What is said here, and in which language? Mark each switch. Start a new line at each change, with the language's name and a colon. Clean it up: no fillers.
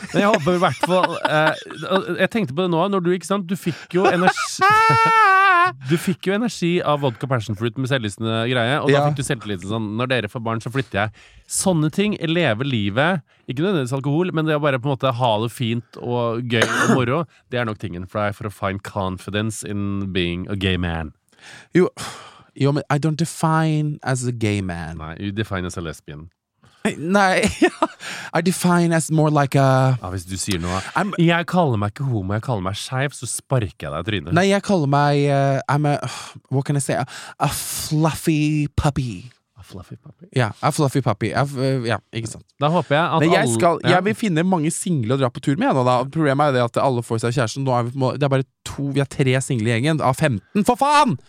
Norwegian: Men jeg håper i hvert fall, jeg tenkte på det nå, når du, ikke sant, du fikk jo energi av vodka passion fruit med selvlysende greie, og da fikk du selvtillit sånn, når dere får barn så flytter jeg. Sånne ting lever livet, ikke nødvendigvis alkohol, men det å bare på en måte ha det fint og gøy og moro, det er nok tingen for deg, for å
English: find confidence in being a gay man.
Norwegian: Jo, jo, men
English: I don't define as a gay man. Nei, you define as a lesbian. Nei, I define as more like a...
Norwegian: Ja, hvis du sier noe, jeg kaller meg ikke homo, jeg kaller meg skjev, så sparker jeg deg trynet. Nei, jeg kaller meg,
English: I'm a, what can I say, a fluffy puppy. A fluffy puppy? Ja, yeah, a fluffy puppy, ja,
Norwegian: ikke sant. Da håper jeg at men jeg skal, alle... Jeg vil finne mange single å dra på tur med nå da, og problemet er det at alle får seg kjæresten, nå er vi, det er bare to, vi har tre single i gjengen, av 15, for faen!